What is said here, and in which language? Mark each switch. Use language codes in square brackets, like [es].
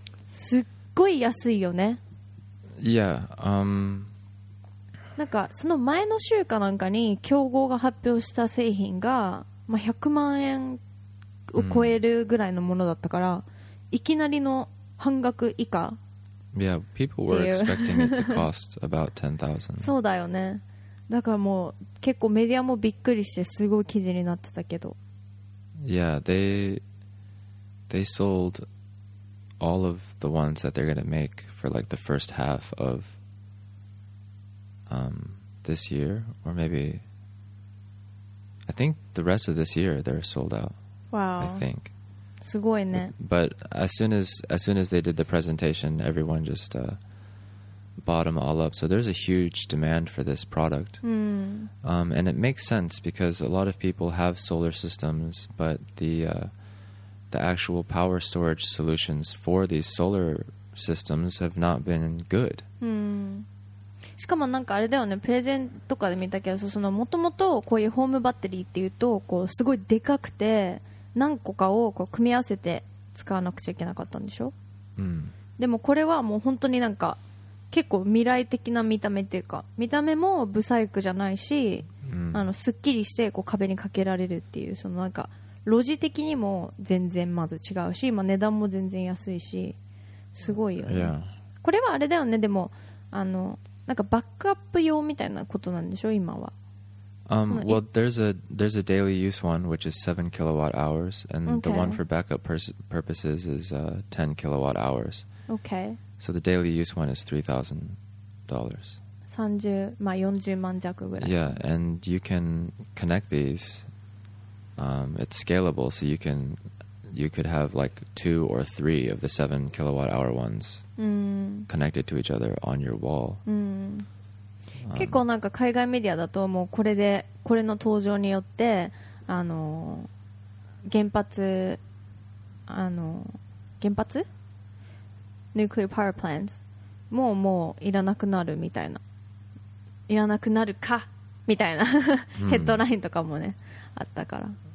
[ja] すっごい安いよね。いや、なんかその前の週かなんかに競合が発表した製品が、まあ、100万円を超えるぐらいのものだったから、いきなりの半額以下。 [en] Yeah, people were expecting it to cost about $10,000. [ja] そうだよね。だからもう結構メディアもびっくりしてすごい記事になってたけど。 [en] Yeah, they sold all of the ones that they're gonna make for like the first half of this year, or maybe I think the rest of this year they're sold out. Wow. I think. [ja] すごいね。 [en] But as soon as they did the presentation, everyone just bought them all up. So there's a huge demand for this product. And it makes sense because a lot of people have solar systems, but the actual power storage solutions for these solar systems have not been good. [ja] しかもなんかあれだよね、プレゼンとかで見たけど、その元々こういうホームバッテリーっていうとこうすごいでかくて何個かをこう組み合わせて使わなくちゃいけなかったんでしょ、うん、でもこれはもう本当になんか結構未来的な見た目っていうか、見た目もブサイクじゃないし、うん、あのすっきりしてこう壁にかけられるっていう、そのなんか路地的にも全然まず違うし、まあ、値段も全然安いしすごいよね、 [en] yeah. [ja] これはあれだよね、でもあのなんかバックアップ用みたいなことなんでしょ今は。 [en] Well, there's a daily use one, which is 7 kilowatt hours, and okay. the one for backup purposes is 10 kilowatt hours. Okay. So the daily use one is $3,000. [ja] 30, まあ40万弱ぐらい。 [en] Yeah, and you can connect these. It's scalable, so you can you could have like two or three of the 7 kilowatt hour ones connected to each other on your wall. [ja] 結構なんか海外メディアだともうこれでこれの登場によってあの原発あの原発 [en] nuclear power plants [ja] もういらなくなるみたいな、いらなくなるかみたいなヘッドラインとかもね、あったから。